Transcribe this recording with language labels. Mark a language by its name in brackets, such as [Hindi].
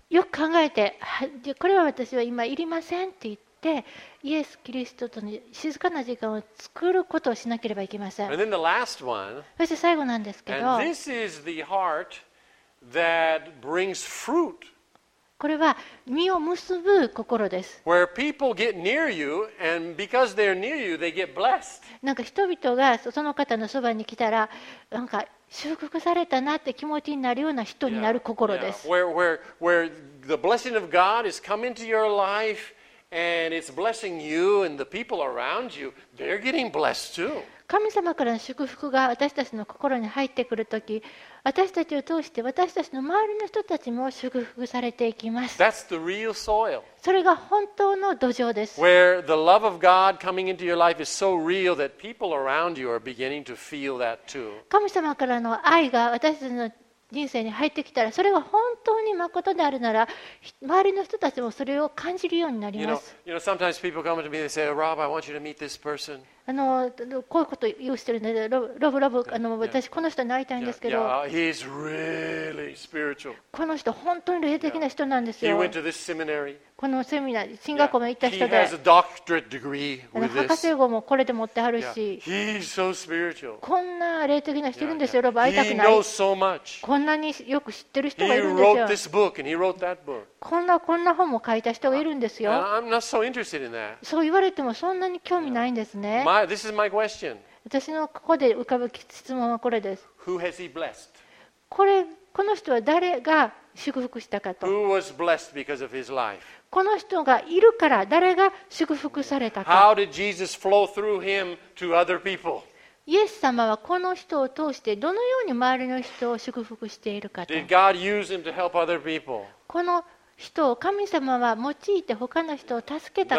[Japanese] よく考えて、これは私は今いりませんって言って、イエス・キリストとの静かな時間を作ることをしなければいけません。 [English] And then the last one, [Japanese] そして最後なんですけど、 [English] and this is the heart that brings fruit [Japanese] これは身を結ぶ心です。 [English] Where people get near you, and because they're near you, they get blessed. [Japanese] なんか人々がその方のそばに来たら、なんか祝福されたなって気持ちになるような人になる心です。 [English] Yeah, yeah. Where the blessing of God is coming to your life, and it's blessing you and the people around you, they're getting blessed too. [Japanese] 神様からの祝福が私たちの心に入ってくるとき、私たちを通して私たちの周りの人たちも祝福されていきます。 [English] That's the real soil. [Japanese] それが本当の土壌です。 [English] Where the love of God coming into your life is so real that people around you are beginning to feel that too. [Japanese] 神様からの愛が私たちの人生に入ってきたら、それが本当に誠であるなら、周りの人たちもそれを感じるようになります。 [English] You know, sometimes people come to me and say, Rob, I want you to meet this person. [Japanese] こういうことを言うしてるので、ロブ、私この人に会いたいんですけど、 [English] He's really spiritual. [Japanese] この人本当に霊的な人なんですよ。 [English] He went to this seminary. [Japanese] このセミナー、神学校に行った人で、 [English] He has a doctorate degree with this. [Japanese] 博士号もこれで持ってはるし、 [English] He's so spiritual. [Japanese] こんな霊的な人いるんですよ、ロブ、会いたくない。 [English] He knows so much. [Japanese] こんなによく知ってる人がいるんですよ。 [English] He wrote this book and he wrote that book. [Japanese] こんな本も書いた人がいるんですよ。 [English] I'm not so interested in that. [Japanese] そう言われてもそんなに興味ないんですね。 [English] This is my question. [Japanese] 私のここで浮かぶ質問はこれです。 [English] Who has he blessed? [Japanese] この人は誰が祝福したかと。 [English] Who was blessed because of his life? [Japanese] この人がいるから誰が祝福されたか。 [English] How did Jesus flow through him to other people? [Japanese] イエス様はこの人を通してどのように周りの人を祝福しているかと。 [English] Did God use him to help other people? [Japanese] この人を神様は用いて他の人を助けた